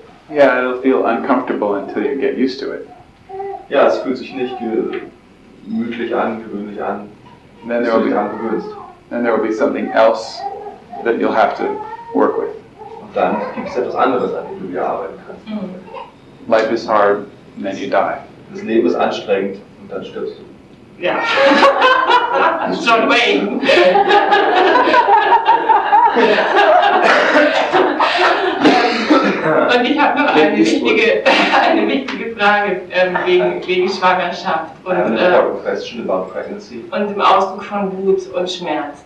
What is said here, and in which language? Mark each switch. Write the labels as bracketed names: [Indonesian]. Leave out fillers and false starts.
[English] Yeah, it'll feel uncomfortable until you get used to it. [German] Ja, es fühlt sich nicht gemütlich an, gewöhnlich an. [English] Then there will be [German] dran gewöhnst. [English] Then there will be something else that you'll have to work with. [German] Dann gibt es etwas anderes, an dem du hier arbeiten kannst. Mhm. [English] Life is hard, then you die. [German] Das Leben ist anstrengend und dann stirbst du. Ja. John Wayne. Und ich habe noch eine wichtige Frage wegen Schwangerschaft und dem Ausdruck von Wut und Schmerz.